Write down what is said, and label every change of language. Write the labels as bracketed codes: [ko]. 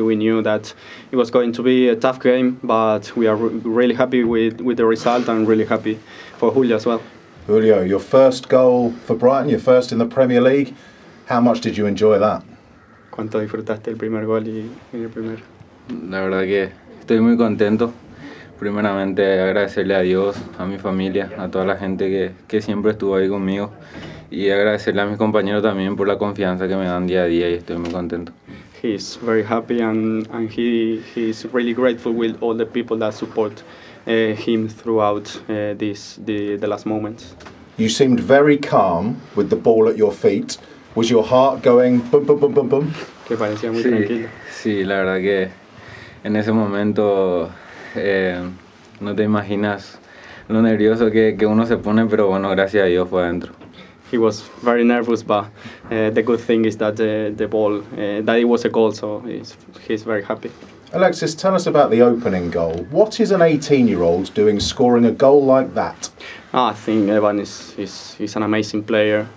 [en] We knew that it was going to be a tough game, but we are really happy with the result and really happy for Julio as well. Julio, your first goal for Brighton, your first in the Premier League. How much did you enjoy that? [es] ¿Cuánto disfrutaste el primer gol y en el primer? La verdad que estoy muy contento. Primeramente agradecerle a Dios, a mi familia, a toda la gente que siempre estuvo ahí conmigo. Y agradecerle a mis compañeros también por la confianza que me dan día a día y estoy muy contento. [en] He's very happy and he's really grateful with all the people that support him throughout the last moments. You seemed very calm with the ball at your feet. Was your heart going boom, boom, boom, boom, boom? [es] Que parecía muy tranquilo. Sí, la verdad que en ese momento no te imaginas lo nervioso que uno se pone, pero bueno, gracias a Dios fue adentro. [en] He was very nervous, but the good thing is that the ball, that it was a goal, so he's very happy. Alexis, tell us about the opening goal. What is an 18-year-old doing scoring a goal like that? I think Evan is an amazing player.